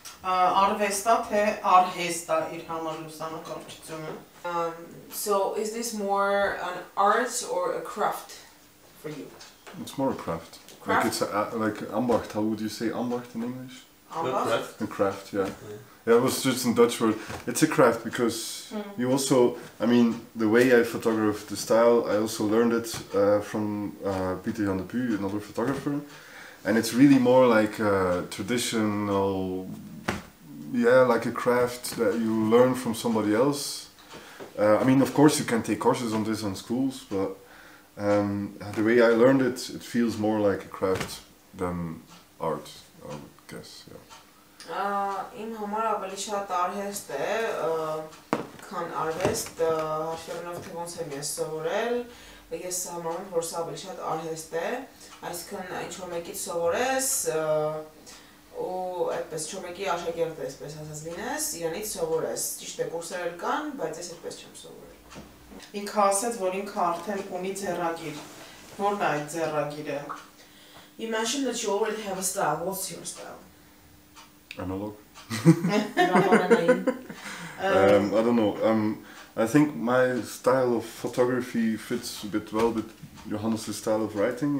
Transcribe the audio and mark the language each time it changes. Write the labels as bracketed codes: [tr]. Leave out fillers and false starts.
[hy] Արվեստա թե արհեստա իր համար լուսանկարչությունը [en] So is this more an art or a craft for you It's more a craft, craft? Like it's like ambacht how would you say ambacht in English Ambacht a craft yeah it was just in Dutch word it's a craft because you also I mean the way I photograph the style I also learned it from Peter Jan de Puy another photographer And it's really more like a traditional, yeah, like a craft that you learn from somebody else. I mean, of course, you can take courses on this in schools, but the way I learned it, it feels more like a craft than art, I would guess, yeah. [hy] Իմ համար ավելի շատ արհեստ է, քան արհեստ, հաշվելով թե ոնց եմ ես սովորել, ես համարում որ սա ավելի շատ արհեստ է, այսինքն ինչ-որ մեկից սովորես, ու այդպես ինչ-որ մեկի աշակերտ ես, այսպես ասած լինես, իրենից սովորես, ճիշտ է կուրսեր էլ կան, բայց ես այդպես չեմ սովորել. Ինքը ասաց, որ ինքը արդեն ունի ձեռագիր, ո՞րն է այդ ձեռագիրը. [en] Imagine that you already have a style, what's your style? Analog. I don't know. I think my style of photography fits a bit well with Johannes' style of writing.